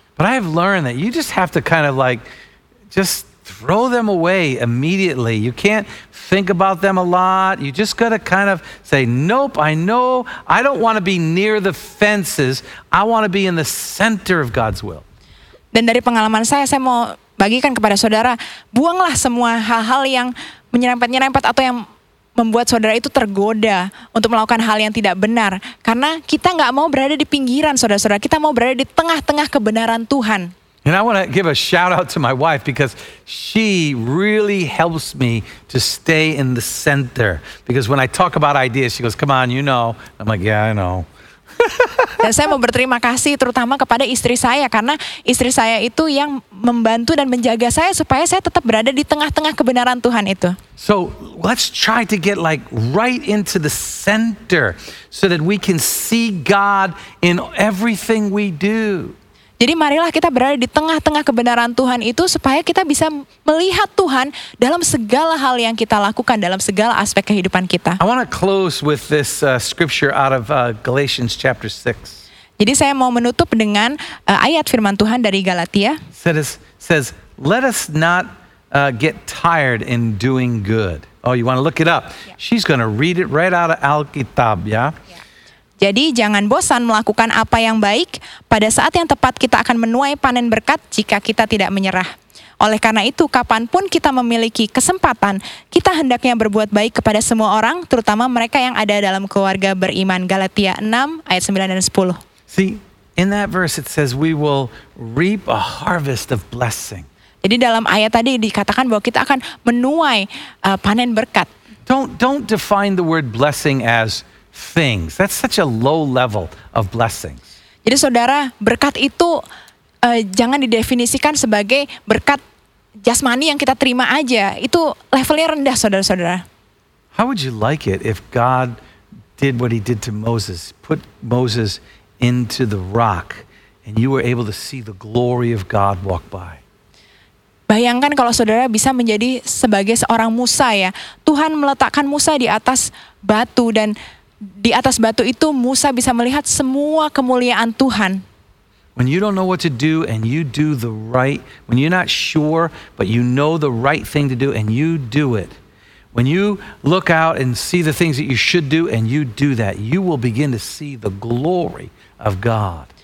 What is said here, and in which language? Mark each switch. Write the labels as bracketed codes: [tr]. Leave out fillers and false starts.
[en] But I've learned that you just have to kind of like just throw them away immediately. You can't think about them a lot. You just got to kind of say, nope, I know. I don't want to be near the fences. I want to be in the center of God's will. [id] Dan dari pengalaman saya mau bagikan kepada saudara, buanglah semua hal-hal yang menyerempet-nyerempet atau yang membuat saudara itu tergoda untuk melakukan hal yang tidak benar. Karena kita gak mau berada di pinggiran, saudara-saudara. Kita mau berada di tengah-tengah kebenaran Tuhan. [en] And I want to give a shout out to my wife because she really helps me to stay in the center. Because when I talk about ideas, she goes, come on, you know. I'm like, yeah, I know. [id] Dan saya mau berterima kasih terutama kepada istri saya. Karena istri saya itu yang membantu dan menjaga saya supaya saya tetap berada di tengah-tengah kebenaran Tuhan itu. [en] So let's try to get like right into the center so that we can see God in everything we do. [id] Jadi marilah kita berada di tengah-tengah kebenaran Tuhan itu supaya kita bisa melihat Tuhan dalam segala hal yang kita lakukan, dalam segala aspek kehidupan kita. [en] I want to close with this scripture out of Galatians chapter 6. [id] Jadi saya mau menutup dengan ayat firman Tuhan dari Galatia. [en] Says, let us not get tired in doing good. Oh, you want to look it up? Yeah. She's going to read it right out of Alkitab, ya? Yeah? [id] Jadi jangan bosan melakukan apa yang baik, pada saat yang tepat kita akan menuai panen berkat jika kita tidak menyerah. Oleh karena itu, kapanpun kita memiliki kesempatan, kita hendaknya berbuat baik kepada semua orang, terutama mereka yang ada dalam keluarga beriman. Galatia 6 ayat 9 dan 10. [en] See, in that verse it says we will reap a harvest of blessing. [id] Jadi dalam ayat tadi dikatakan bahwa kita akan menuai panen berkat. [en] Don't define the word blessing as things. That's such a low level of blessings. [id] Jadi saudara, berkat itu jangan didefinisikan sebagai berkat jasmani yang kita terima aja. Itu levelnya rendah, saudara-saudara. [en] How would you like it if God did what he did to Moses? Put Moses into the rock and you were able to see the glory of God walk by. [id] Bayangkan kalau saudara bisa menjadi sebagai seorang Musa ya. Tuhan meletakkan Musa di atas batu dan di atas batu itu Musa bisa melihat semua kemuliaan Tuhan. [en] When you don't know what to do and you do the right, when you're not sure but you know the right thing to do and you do it. When you look out and see the things that you should do and you do that, you will begin to see the glory of God.